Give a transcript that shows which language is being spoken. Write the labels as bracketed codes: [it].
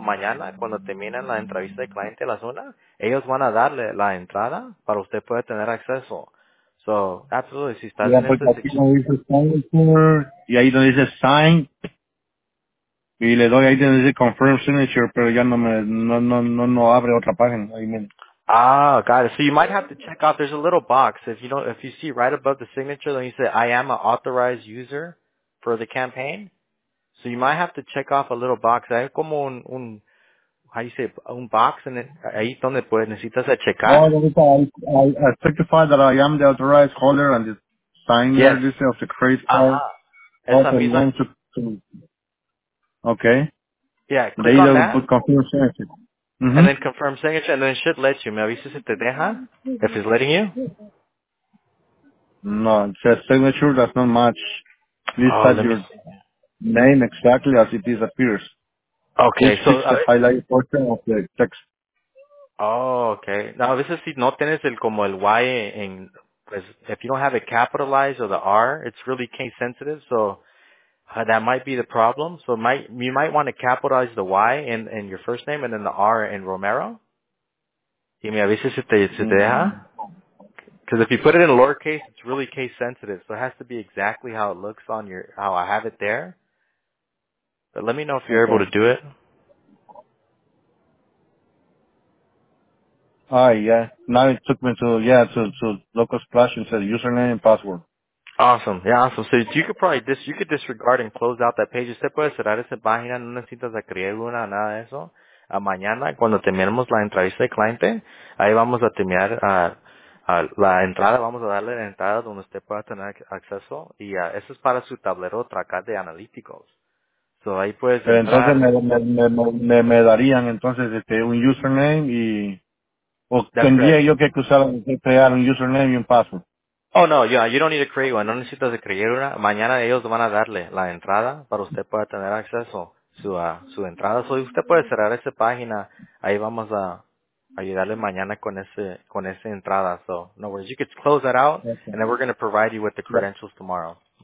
[es] Mañana, cuando terminen la entrevista de cliente a la zona, ellos van a darle la entrada para usted poder tener acceso. [en] So, absolutely, [es] si estás en esta sección. Y ahí donde dice sign, y le doy ahí donde dice confirm signature, pero ya no abre otra página. Ahí mismo. [en] Ah, got it. So you might have to check out, there's a little box. If you see right above the signature, then you say, I am an authorized user for the campaign. So you might have to check off a little box. [es] Hay como un box, and ahí donde pues necesitas checar. [en] Oh, I certify that I am the authorized holder and the signer of the credit card. Okay. Yeah, click on that. Confirm signature. Mm-hmm. And then confirm signature, and then it should let you. [es] Me avisas si te deja, [en] if it's letting you. No, it says signature, that's not much. Please type your name exactly as it disappears. Okay, so... the highlight portion of the text. Oh, okay. [es] Now, a veces si no tienes el Y en... [en] Pues, if you don't have it capitalized or the R, it's really case sensitive, so... that might be the problem. So you might want to capitalize the Y in your first name and then the R in Romero. [es] Y me avisas si te deja. [en] Because if you put it in a lowercase, it's really case sensitive. So it has to be exactly how it looks on how I have it there. But let me know if you're able to do it. Yeah. Now it took me to Local Splash and said username and password. Awesome. Yeah, awesome. So you could probably you could disregard and close out that page. [es] Usted puede cerrar esa página, no necesitas crear una, nada de eso. A mañana, cuando terminemos la entrevista de cliente, ahí vamos a terminar la entrada, vamos a darle la entrada donde usted pueda tener acceso. Y eso es para su tablero tracar de analíticos. So ahí puedes entrar. Entonces me darían entonces un username y... O tendría yo que crear un username y un password. [en] Oh, no, you don't need to create one. [es] No necesitas de crear una. Mañana ellos van a darle la entrada para usted pueda tener acceso a su entrada. So, usted puede cerrar esa página. Ahí vamos a ayudarle mañana con esa entrada. [en] So, no worries. You can close that out, okay. And then we're going to provide you with the credentials tomorrow.